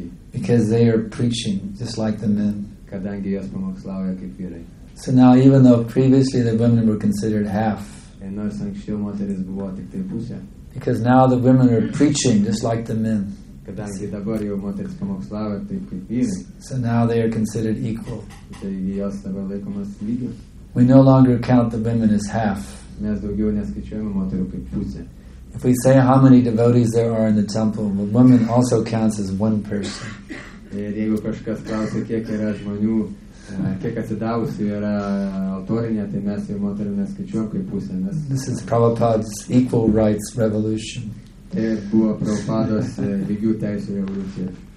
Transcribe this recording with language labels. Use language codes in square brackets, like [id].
[en] Because they are preaching just like the men. [lt] Kadangi jos pamokslauja kaip vyrai. [en] So now, even though previously the women were considered half, [lt] ir nors anksčiau moteris buvo tik tai pusė, [en] because now the women are preaching just like the men. [lt] Kadangi dabar jau moteris pamokslauja taip kaip vyrai. [en] So now they are considered equal. [lt] Taigi jos dabar laikomas lygios. [en] We no longer count the women as half. [lt] Mes daugiau neskaičiuojame moterų kaip pusė. [en] If we say how many devotees there are in the temple, the woman also counts as one person. [lt] Ir jeigu kažkas klausia, kiek yra žmonių, kiek atsidavusių yra altorinė, tai mes jau moterų neskaičiuojam kaip pusę. Nes [en] this is Prabhupada's equal rights revolution. [lt] Tai buvo Prabhupada's lygių teisų revoliucija.